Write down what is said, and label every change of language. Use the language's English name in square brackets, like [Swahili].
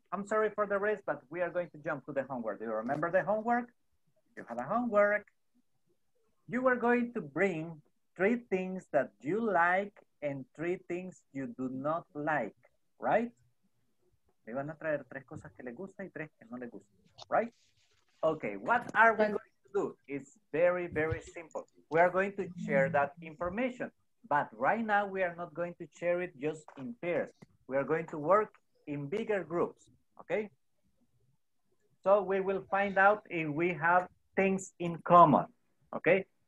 [English] I'm sorry for the rest, but we are going to jump to the homework. Do you remember the homework? You have a homework. You are going to bring three things that you like and three things you do not like, right? [Spanish] Le van a traer tres cosas que le gusta y tres que no le gusta, right? [English] Okay, what are we going to do? It's very, very simple. We are going to share that information, but right now we are not going to share it just in pairs. We are going to work in bigger groups, okay? So we will find out if we have things in common, okay?